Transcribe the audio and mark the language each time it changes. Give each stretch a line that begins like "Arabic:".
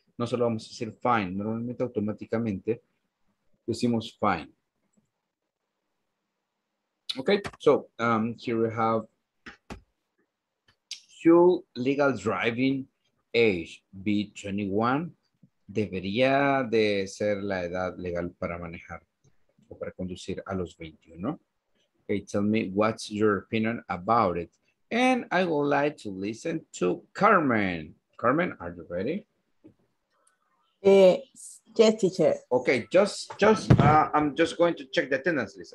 Spanish: No solo vamos a decir fine, normalmente automáticamente decimos fine.
English: Okay, so here we have should legal driving age be 21?
Spanish: Debería de ser la edad legal para manejar o para conducir a los 21.
English: Okay, tell me what's your opinion about it. And I would like to listen to Carmen. Carmen, are you ready? Yes, teacher. Okay, I'm just going to check the attendance list.